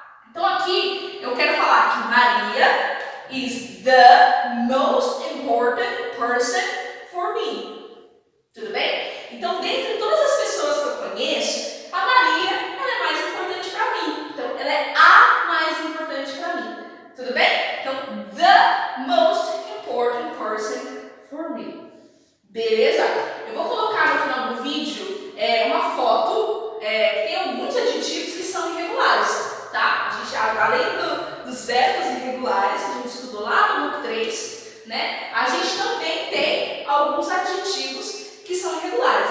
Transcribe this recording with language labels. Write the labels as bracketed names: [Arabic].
[Portuguese] Então aqui eu quero falar que [English] Maria is the most important person for me. [Portuguese] Tudo bem? Então, dentre todas as pessoas que eu conheço, a Maria, ela é mais importante para mim. Então, ela é a mais importante para mim. Tudo bem? [English] Então, the most important person for me. [Portuguese] Beleza? Eu vou colocar no final do vídeo uma foto. Tem alguns adjetivos que são irregulares, tá? A gente, além dos verbos irregulares que a gente estudou lá no book 3, né? A gente também tem alguns adjetivos que são irregulares.